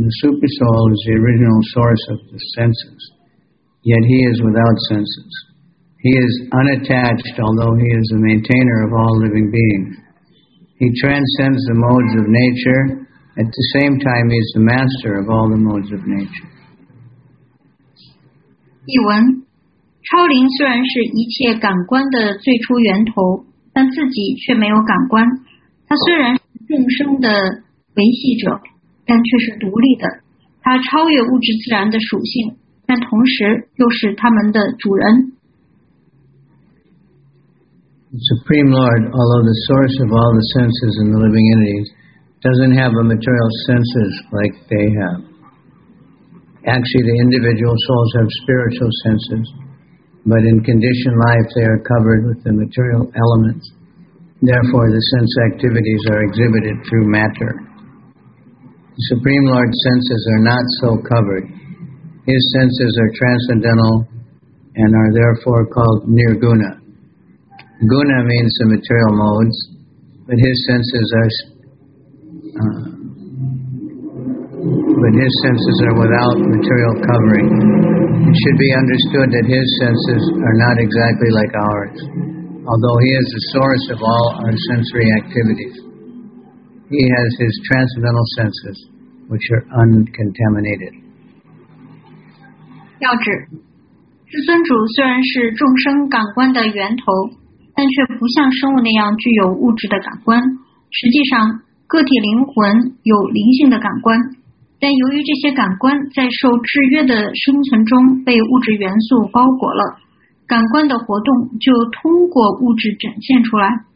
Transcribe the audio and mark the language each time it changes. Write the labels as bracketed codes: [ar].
[en] The Supersoul is the original source of the senses, yet he is without senses. He is unattached, although he is the maintainer of all living beings. He transcends the modes of nature. At the same time, he is the master of all the modes of nature. [zh] 译文：超灵虽然是一切感官的最初源头，但自己却没有感官。他虽然是众生的维系者。但却是独立的，它超越物质自然的属性，但同时又是他们的主人。 [en] The Supreme Lord, although the source of all the senses in the living entities, doesn't have a material senses like they have. Actually, the individual souls have spiritual senses, but in conditioned life they are covered with the material elements. Therefore, the sense activities are exhibited through matter. The Supreme Lord's senses are not so covered. His senses are transcendental and are therefore called nirguna. Guna means the material modes, but his senses are, without material covering. It should be understood that his senses are not exactly like ours, although he is the source of all our sensory activities. He has his transcendental senses, which are uncontaminated. [zh] 要指，至尊主虽然是众生感官的源头，但却不像生物那样具有物质的感官。实际上，个体灵魂有灵性的感官，但由于这些感官在受制约的生存中被物质元素包裹了，感官的活动就通过物质展现出来。